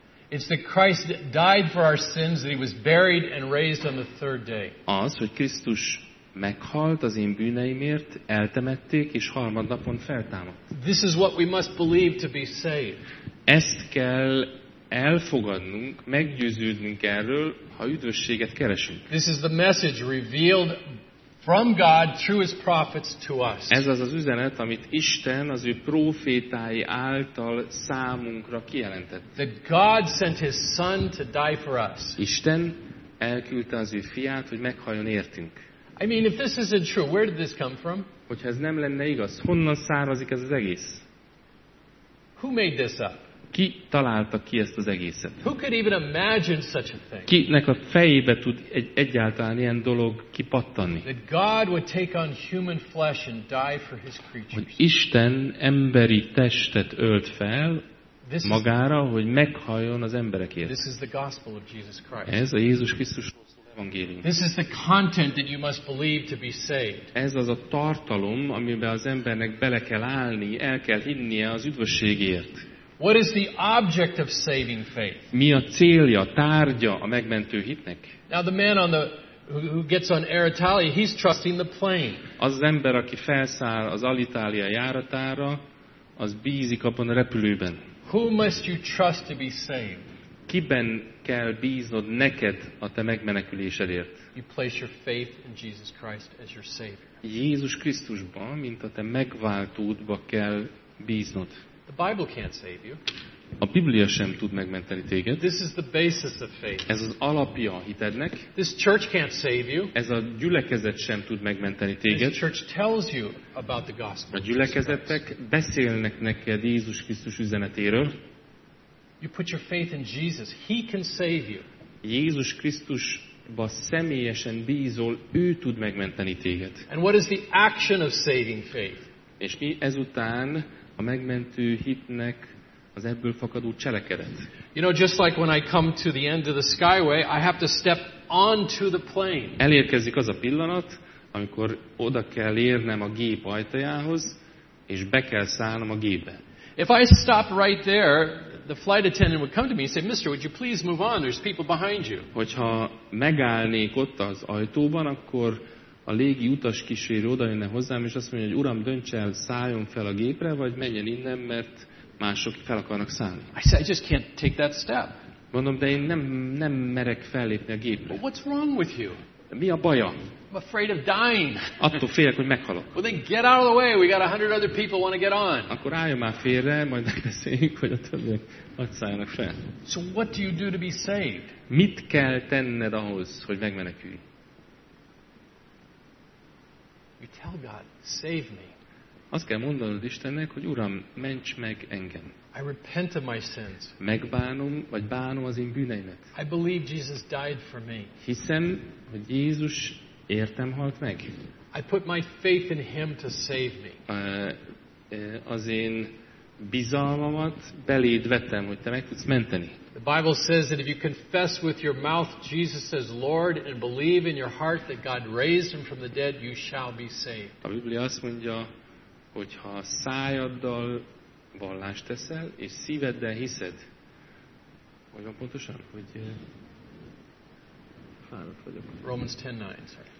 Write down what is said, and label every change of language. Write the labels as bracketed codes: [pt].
[en] It's that Christ died for our sins, that he was buried and raised on the third day. [hu] Az, hogy Krisztus meghalt az én bűneimért, eltemették és harmadnapon feltámadt. [en] This is what we must believe to be saved. [hu] Ezt kell elfogadnunk, meggyőződnünk erről, ha üdvösséget keresünk. [en] This is the message revealed from God through his prophets to us. [hu] Ez az az üzenet, amit Isten az ő prófétái által számunkra kijelentett. [en] That God sent his son to die for us. [hu] Isten elküldte az ő fiát, hogy meghaljon értünk. [en] I mean, if this isn't true, where did this come from? [hu] Hogyha ez nem lenne igaz, honnan származik ez az egész? [en] Who made this up? [hu] Ki találta ki ezt az egészet? [en] Who could even imagine such a thing? [hu] Kinek a fejébe tud egyáltalán ilyen dolog kipattanni? [en] That God would take on human flesh and die for his creatures. [hu] Hogy Isten emberi testet ölt fel magára, hogy meghaljon az emberekért. [en] This is the gospel of Jesus Christ. [hu] Ez a Jézus Krisztusról. [en] This is the content that you must believe to be saved. [hu] Ez az a tartalom, amiben az embernek bele kell állni, el kell hinnie az üdvösségért. [en] What is the object of saving faith? [hu] Mi a célja, tárgya a megmentő hitnek? [en] Now the man on the who gets on Air Italia, he's trusting the plane. [hu] Az ember, aki felszáll az Alitalia járatára, az bízik abban a repülőben. [en] Who must you trust to be saved? [hu] Kiben kell bíznod neked a te megmenekülésedért? [en] You place your faith in Jesus Christ as your savior. [hu] Jézus Krisztusban, mint a te megváltódba kell bíznod. [en] The Bible can't save you. [hu] A Biblia sem tud megmenteni téged. [en] This is the basis of faith. [hu] Ez az alapja hitednek. [en] This church can't save you. [hu] Ez a gyülekezet sem tud megmenteni téged. [en] This church tells you about the gospel. [hu] A gyülekezetek beszélnek neked Jézus Krisztus üzenetéről. [en] You put your faith in Jesus. He can save you. [hu] Jézus Krisztusba személyesen bízol, ő tud megmenteni téged. [en] And what is the action of saving faith? [hu] És mi ezután a megmentő hitnek az ebből fakadó cselekedet? [en] You know, just like when I come to the end of the skyway, I have to step onto the plane. [hu] Elérkezik az a pillanat, amikor oda kell érnem a gép ajtajához, és be kell szállnom a gépbe. [en] If I stop right there, the flight attendant would come to me and say, "Mister, would you please move on? There's people behind you." [hu] Hogyha megállnék ott az ajtóban, akkor a légi utas kísérő oda jönne hozzám, és azt mondja, hogy uram, dönts el, szálljon fel a gépre, vagy menjen innen, mert mások fel akarnak szállni. [en] I said, "I just can't take that step." [hu] Mondom, de én nem merek fellépni a gépre. [en] But what's wrong with you? [hu] Mi a baja? [en] I'm afraid of dying. [hu] Attól félek, hogy meghalok. [en] Well, then get out of the way. We got 100 other people want to get on. [hu] Akkor álljon már félre, majd megbeszéljük, hogy a többiek hadd szálljanak fel. [en] So what do you do to be saved? [hu] Mit kell tenned ahhoz, hogy megmenekülj? [en] You tell God, save me. [hu] Azt kell mondanod Istennek, hogy Uram, ments meg engem. [en] I repent of my sins. [hu] Megbánom, vagy bánom az én bűneimet. [en] I believe Jesus died for me. [hu] Hiszem, hogy Jézus értem halt meg. [en] I put my faith in him to save me. [hu] Az én bizalmamat beléd vettem, hogy te meg tudsz menteni. [en] The Bible says that if you confess with your mouth Jesus as Lord and believe in your heart that God raised him from the dead, you shall be saved. [hu] A Biblia azt mondja, hogyha szájaddal vallást teszel és szíveddel hiszed, hogy van pontosan, hogy fáradt vagyok. [en] Romans 10:9.